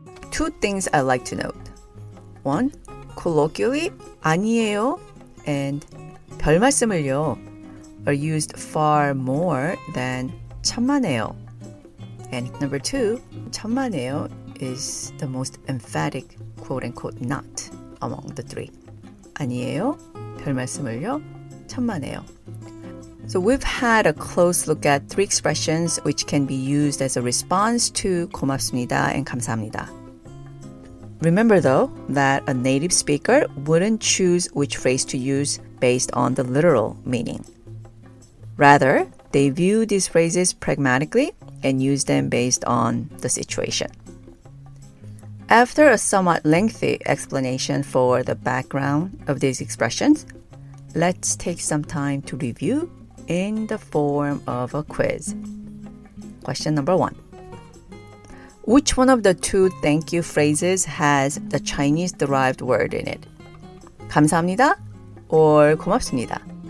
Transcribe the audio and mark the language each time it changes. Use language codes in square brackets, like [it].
[en] Two things I'd like to note. One, colloquially, [ko] 아니에요 [en] and [ko] 별 말씀을요 [en] are used far more than [ko] 천만에요. [en] And number two, [ko] 천만에요 [en] is the most emphatic quote-unquote not among the three. [ko] 아니에요, 별 말씀을요, 천만에요. [en] So we've had a close look at three expressions which can be used as a response to [ko] 고맙습니다 [en] and [ko] 감사합니다. [en] Remember though that a native speaker wouldn't choose which phrase to use based on the literal meaning. Rather, they view these phrases pragmatically and use them based on the situation. After a somewhat lengthy explanation for the background of these expressions, let's take some time to review in the form of a quiz. Question number one. Which one of the two thank you phrases has the Chinese-derived word in it? [ko] 감사합니다 [en] or [ko] 고맙습니다?